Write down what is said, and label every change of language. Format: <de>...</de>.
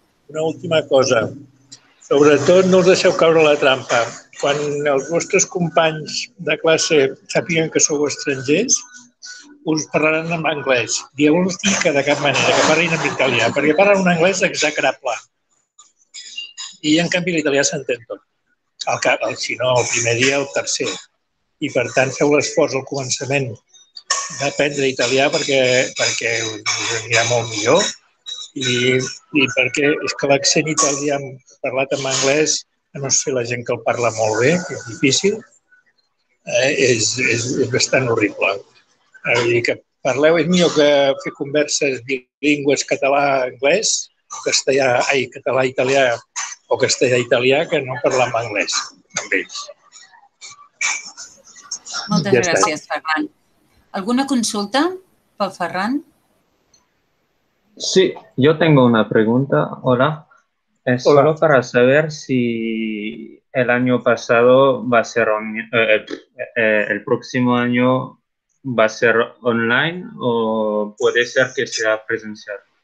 <ca>Una última cosa. Sobretot, no us deixeu caure la trampa. Quan els vostres companys de classe sàpiguen que sou estrangers, us parlaran en anglès. Dieu-los que de cap manera, que parlin en italià, perquè parlen un anglès execrable. I, en canvi, l'italià s'entén tot. Si no, el primer dia, el tercer. I, per tant, feu l'esforç al començament d'aprendre italià perquè us anirà molt millor. I perquè és que l'accent italià parlat en anglès, a no ser la gent que el parla molt bé, que és difícil, és bastant horrible. Vull dir que parleu, és millor que fer converses bilingües català-anglès, o català-italià, o castellà-italià, que no parlar en anglès amb ells. Moltes gràcies, Ferran. Alguna consulta pel Ferran?</ca> <es>Sí, yo tengo una pregunta. Hola. Es Hola. Solo para saber si el año pasado va a ser el próximo año va a ser online o puede ser que sea presencial.</es>